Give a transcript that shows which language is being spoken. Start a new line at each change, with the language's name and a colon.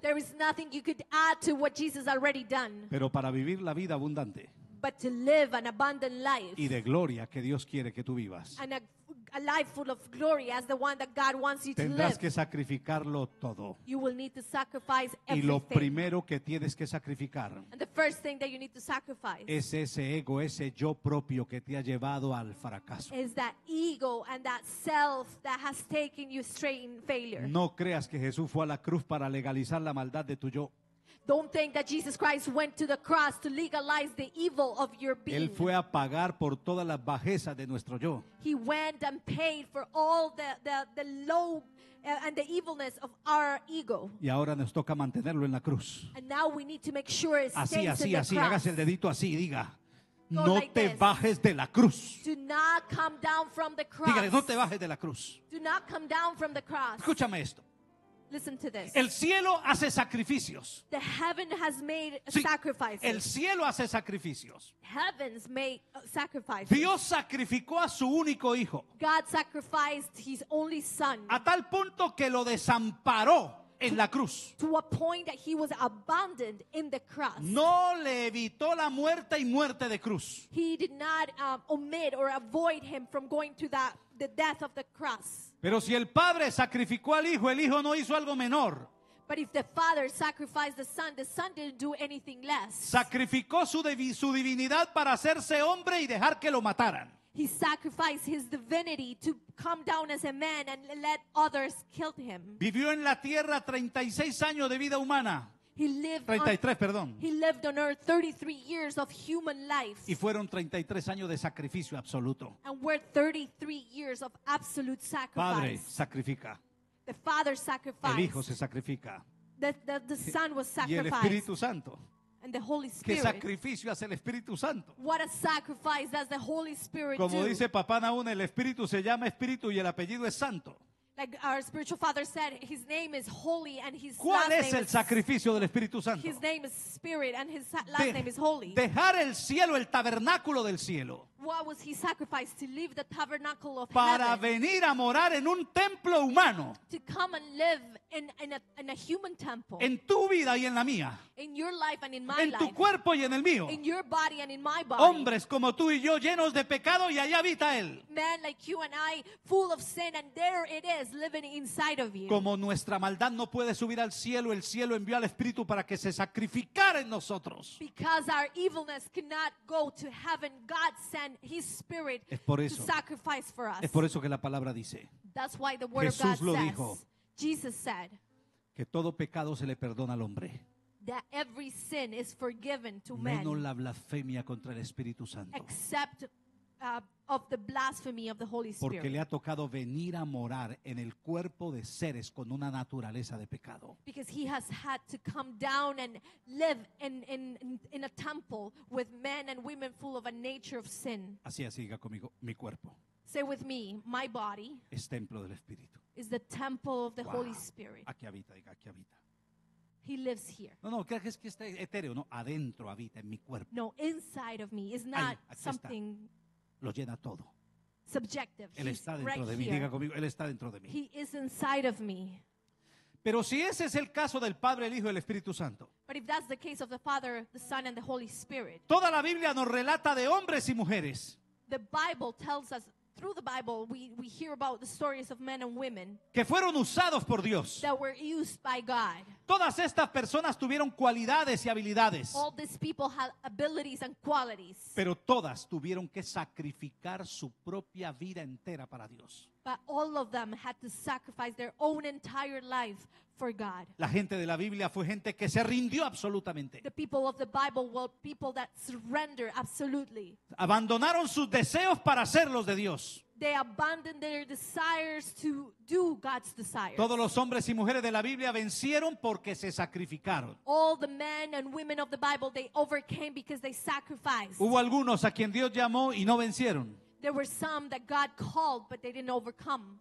English: There is nothing you could add to what Jesus already done.
Spanish: Pero para vivir la vida abundante.
English: But to live an abundant life.
Spanish: Y de gloria que Dios quiere que tú vivas.
English: And a life full of glory as the one that God wants you to live.
Spanish: Tendrás que sacrificarlo todo.
English: You will need to sacrifice everything.
Spanish: Y lo primero que tienes que sacrificar.
English: And the first thing that you need to sacrifice.
Spanish: Es ese ego, ese yo propio que te ha llevado al fracaso.
English: Is that ego and that self that has taken you straight in failure.
Spanish: No creas que Jesús fue a la cruz para legalizar la maldad de tu yo.
English: Don't think that Jesus Christ went to the cross to legalize the evil of your being.
Spanish: Él fue a pagar por toda la bajeza de nuestro yo.
English: He went and paid for all the low and the evilness of our ego.
Spanish: Y ahora nos toca mantenerlo en la cruz.
English: And now we need to make sure it stays
Spanish: así, así,
English: in the
Spanish: así,
English: cross.
Spanish: Hágase el dedito así y diga. No te bajes de la cruz.
English: Do not come down from the cross.
Spanish: Dígale, no te bajes de la cruz.
English: Do not come down from the cross.
Spanish: Escúchame esto.
English: Listen to this.
Spanish: El cielo hace sacrificios.
English: The heaven has made
Spanish: sí,
English: sacrifices.
Spanish: El cielo hace sacrificios.
English: Heaven's made sacrifices.
Spanish: Dios sacrificó a su único hijo.
English: God sacrificed his only son.
Spanish: A tal punto que lo desamparó en la cruz.
English: To a point that he was abandoned in the cross.
Spanish: No le evitó la muerte y muerte de cruz.
English: He did not omit or avoid him from going to that the death of the cross.
Spanish: Pero si el padre sacrificó al hijo, el hijo no hizo algo menor.
English: But if the father sacrificed the son didn't do anything less.
Spanish: Sacrificó su divinidad para hacerse hombre y dejar que lo mataran.
English: He sacrificed his divinity to come down as a man and let others kill him.
Spanish: Vivió en la tierra 36 años de vida humana.
English: He lived 33, on,
Spanish: perdón.
English: He lived on earth 33 years of human life.
Spanish: Y fueron 33 años de sacrificio absoluto.
English: And were 33 years of absolute sacrifice.
Spanish: Padre sacrifica.
English: The Father sacrificed.
Spanish: El Hijo se sacrifica.
English: The Son was sacrificed.
Spanish: Y el Espíritu Santo.
English: And the Holy Spirit.
Spanish: ¿Qué sacrificio hace el Espíritu Santo?
English: What a sacrifice does the Holy Spirit
Spanish: como
English: do?
Spanish: Como dice Papá Naún, el Espíritu se llama Espíritu y el apellido es Santo.
English: Like our spiritual father said, his name is holy and his last
Spanish: ¿cuál
English: name
Spanish: es el
English: is,
Spanish: sacrificio del Espíritu Santo?
English: His name is spirit and his last name is holy.
Spanish: Dejar el cielo, el tabernáculo del cielo.
English: What was he sacrificed to leave the tabernacle of
Spanish: para
English: heaven?
Spanish: Venir a morar en un templo humano.
English: To come and live in a human temple.
Spanish: En tu vida y en la mía.
English: In your life and in my
Spanish: en
English: life.
Spanish: En tu cuerpo y en el mío.
English: In your body and in my body.
Spanish: Hombres como tú y yo llenos de pecado y allá habita él.
English: Men like you and I full of sin and there it is living inside of you.
Spanish: Como nuestra maldad no puede subir al cielo, el cielo envió al Espíritu para que se sacrificara en nosotros.
English: Because our evilness cannot go to heaven, God sent His Spirit to sacrifice for us.
Spanish: Es por eso que la palabra dice.
English: That's why the word
Spanish: Jesús
English: of God says.
Spanish: Dijo,
English: Jesus said.
Spanish: Que todo pecado se le perdona al hombre.
English: That every sin is forgiven to
Spanish: menos
English: men.
Spanish: Menos la blasfemia contra el Espíritu Santo.
English: Except of the blasphemy of the Holy Spirit.
Spanish: Porque le ha tocado venir a morar en el cuerpo de seres con una naturaleza de pecado.
English: Because he has had to come down and live in a temple with men and women full of a nature of sin.
Spanish: Así así diga conmigo, mi cuerpo.
English: Say with me, my body.
Spanish: Es templo del Espíritu.
English: Is the temple of the wow. Holy Spirit.
Spanish: Aquí habita, diga, aquí habita.
English: He lives here.
Spanish: No, ¿crees que es que está etéreo? No, adentro habita en mi cuerpo.
English: No, inside of me is not
Spanish: ahí,
English: something
Spanish: está. Lo llena todo.
English: Subjective.
Spanish: Él está dentro
English: right
Spanish: de mí.
English: Here.
Spanish: Diga conmigo, Él está dentro de mí.
English: He is inside of me.
Spanish: Pero si ese es el caso del Padre, el Hijo y el Espíritu Santo.
English: But if that's the case of the Father, the Son and the Holy Spirit.
Spanish: Toda la Biblia nos relata de hombres y mujeres.
English: The Bible tells us, through the Bible, we hear about the stories of men and women.
Spanish: Que fueron usados por Dios.
English: That were used by God.
Spanish: Todas estas personas tuvieron cualidades y habilidades.
English: All these people had abilities and qualities.
Spanish: Pero todas tuvieron que sacrificar su propia vida entera para Dios.
English: But all of them had to sacrifice their own entire life for God.
Spanish: La gente de la Biblia fue gente que se rindió absolutamente.
English: The people of the Bible were people that surrendered absolutely.
Spanish: Abandonaron sus deseos para ser los de Dios.
English: They abandoned their desires to do God's desires.
Spanish: Todos los hombres y mujeres de la Biblia vencieron porque se sacrificaron.
English: All the men and women of the Bible, they overcame because they sacrificed.
Spanish: Hubo algunos a quien Dios llamó y no vencieron.
English: There were some that God called, but they didn't overcome.